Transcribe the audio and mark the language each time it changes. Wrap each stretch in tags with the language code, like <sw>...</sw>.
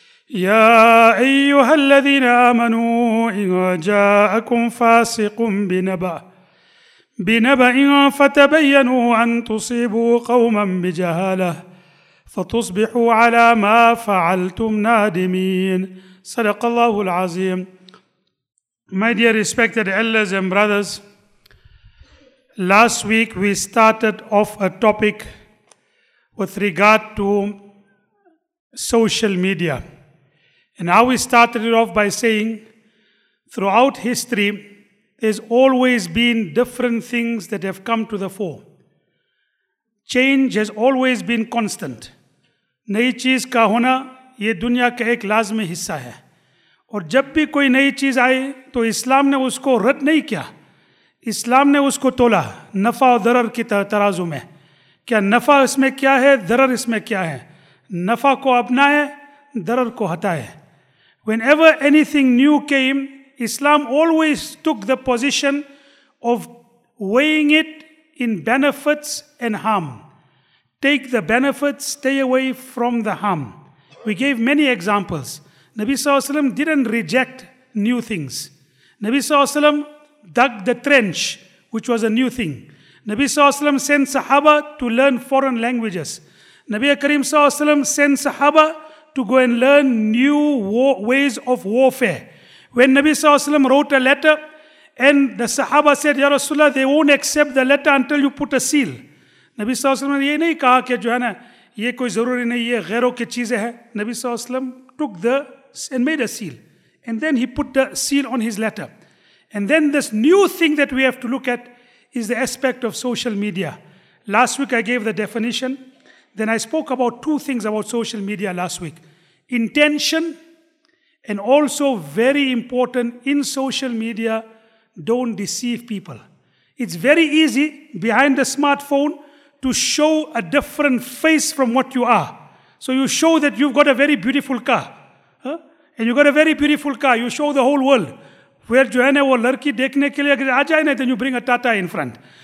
<ar>يا أيها الذين آمنوا إن جاءكم فاسق بنبأ فتبينوا أن تصيبوا قوما بجهالة فتصبحوا على ما فعلتم نادمين. صدق الله العظيم.</ar> <en>My dear respected elders and brothers, last week we started off a topic with regard to social media. And how we started it off by saying, throughout history, there's always been different things that have come to the fore. Change has always been constant.</en> <ur>نئی چیز کا ہونا یہ دنیا کا ایک لازمی حصہ ہے، اور جب بھی کوئی نئی چیز آئی تو اسلام نے اس کو رد نہیں کیا، اسلام نے اس کو تولا نفع و ضرر کی ترازو میں. کیا نفع اس میں کیا ہے، ضرر اس میں کیا ہے، نفع کو اپنائے، ضرر کو ہٹائے.</ur> <en>Whenever anything new came, Islam always took the position of weighing it in benefits and harm. Take the benefits, stay away from the harm. We gave many examples. Nabi Sallallahu Alaihi Wasallam didn't reject new things. Nabi Sallallahu Alaihi Wasallam dug the trench, which was a new thing. Nabi Sallallahu Alaihi Wasallam sent Sahaba to learn foreign languages. Nabi Karim Sallallahu Alaihi Wasallam sent Sahaba to go and learn new ways of warfare. When Nabi Sallallahu Alaihi Wasallam wrote a letter and the Sahaba said, Ya Rasulullah, they won't accept the letter until you put a seal.</en> <ur>نبی صلی اللہ علیہ وسلم نے یہ نہیں کہا کہ جو ہے نا یہ کوئی ضروری نہیں، یہ غیروں کی چیزیں ہیں.</ur> <en>نبی صلی اللہ علیہ وسلم took the end made a seal, and then he put the seal on his letter. And then this new thing that we have to look at is the aspect of social media. Last week I gave the definition, then I spoke about two things about social media last week, intention and also very important in social media, don't deceive people. It's very easy behind the smart phone to show a different face from what you are. So you show that you've got a very beautiful car. And you've got a very beautiful car, you show the whole world. Where</en> <ur>jo hai na wo ladki dekhne ke liye agar aa jaye na,</ur> <en>then you bring a Tata in front.</en>